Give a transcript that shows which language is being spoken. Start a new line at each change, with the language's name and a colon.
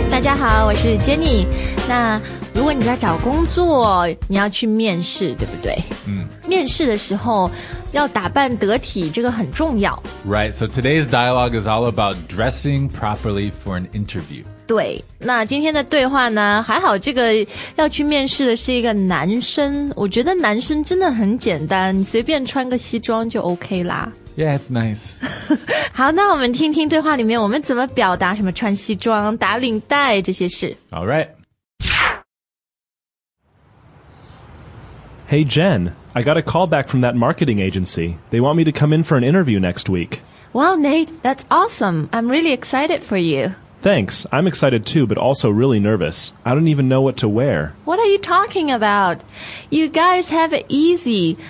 Chinese: 大家好，我是 Jenny. 那如果你在找工作，你要去面试，对不对？面试的时候要打扮得体，这个很重要。
English: Right, so today's dialogue is all about dressing properly for an interview.
Chinese: 对，那今天的对话呢，还好这个要去面试的是一个男生，我觉得男生真的很简单，你随便穿个西装就 OK 啦。
English: Yeah, it's nice.
Chinese: 好，那我们听听对话里面我们怎么表达什么穿西装、打领带这些事。
English: All right. Hey, Jen, I got a call back from that marketing agency. They want me to come in for an interview next week. Wow, Nate, that's awesome. I'm really excited for you. Thanks. I'm excited too, but also really nervous. I don't even know what to wear. What are you talking about? You guys have it easy.